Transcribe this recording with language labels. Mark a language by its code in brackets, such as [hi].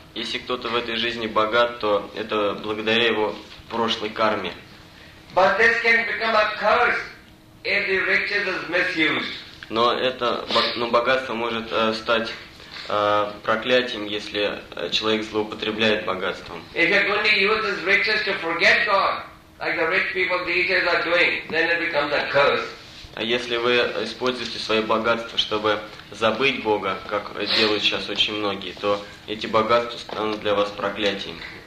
[ru] Если кто-то в этой жизни богат, то это благодаря его прошлой карме. [en] But this can become a curse Every riches is misused. [ru] Но это, но богатство может стать проклятием, если человек злоупотребляет богатством. [en] If he only uses riches to forget God, like the rich people these days are doing, then it becomes a curse. [ru] А если вы используете свои богатства, чтобы забыть Бога, как делают сейчас очень многие, то эти богатства станут для вас проклятием.